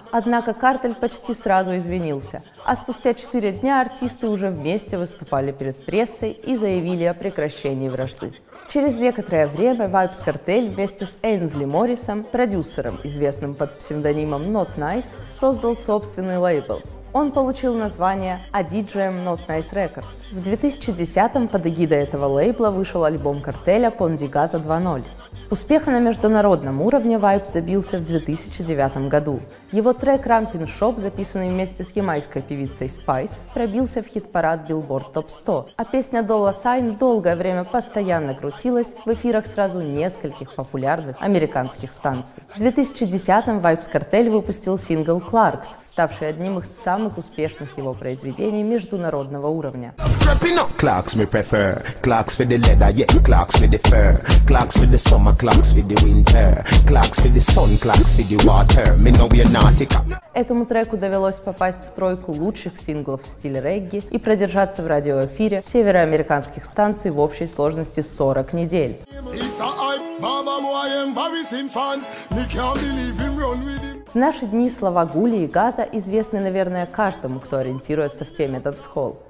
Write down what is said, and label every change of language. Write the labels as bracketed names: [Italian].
[Russian] Однако картель почти сразу извинился. А спустя 4 дня артисты уже вместе выступали перед прессой и заявили о прекращении вражды. Через некоторое время Vibes Cartel вместе с Эйнсли Моррисом, продюсером, известным под псевдонимом Not Nice, создал собственный лейбл. Он получил название ADGM Not Nice Records. В 2010-м под эгидой этого лейбла вышел альбом картеля Ponte Gaza 2.0. Успеха на международном уровне Vibes добился в 2009 году. Его трек «Rampin' Shop», записанный вместе с ямайской певицей Spice, пробился в хит-парад Billboard Top 100, а песня «Dollar Sign» долгое время постоянно крутилась в эфирах сразу нескольких популярных американских станций. В 2010-м Vibes Cartel выпустил сингл «Clarks», ставший одним из самых успешных его произведений международного уровня. [English] Clarks me prefer, Clarks for the leather, yeah, Clarks for the fur, Clarks for the summer, Clarks for the winter, Clarks for the sun, Clarks for the water, me know you're nautica. [Russian] Этому треку довелось попасть в тройку лучших синглов в стиле регги и продержаться в радиоэфире североамериканских станций в общей сложности 40 недель. В наши дни слова «Гули» и «Газа» известны, наверное, каждому, кто ориентируется в теме «Дансхолл».